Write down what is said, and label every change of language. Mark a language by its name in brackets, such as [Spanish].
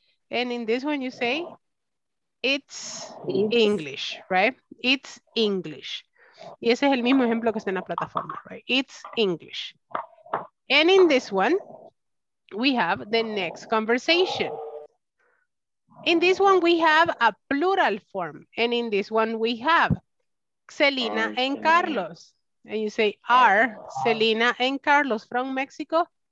[English] And in this one you say, it's English, right? It's English. [Spanish] Y ese es el mismo ejemplo que está en la plataforma, [English] right? It's English. And in this one, we have the next conversation. In this one, we have a plural form. And in this one, we have Celina and Carlos. And you say, are Celina and Carlos from Mexico?